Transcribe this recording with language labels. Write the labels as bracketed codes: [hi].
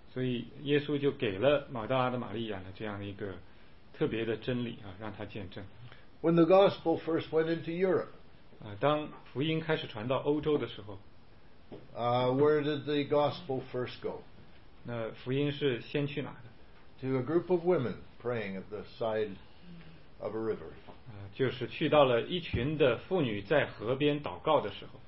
[zh] 所以耶稣就给了马大拉的玛利亚呢这样一个特别的真理啊，让他见证。 [en] When the gospel first went into Europe, [zh] 当福音开始传到欧洲的时候， [en] where did the gospel first go? [zh] 那福音是先去哪的？ [en] To a group of women praying at the side of a river. [zh] 就是去到了一群的妇女在河边祷告的时候。